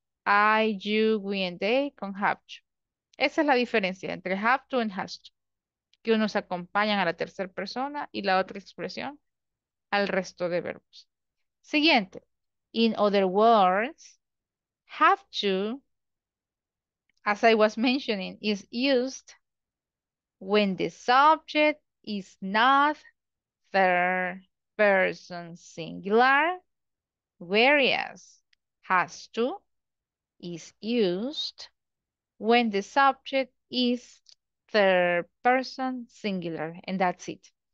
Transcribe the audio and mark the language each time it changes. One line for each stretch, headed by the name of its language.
English: I, you, we, and they con have to.
Spanish: Esa es la diferencia entre
English: have to and has to.
Spanish: Que unos acompañan a la tercera persona y la otra expresión al resto de verbos. Siguiente.
English: In other words, have to, as I was mentioning, is used when the subject is not third person singular, whereas has to is used when the subject is third person singular, and that's it.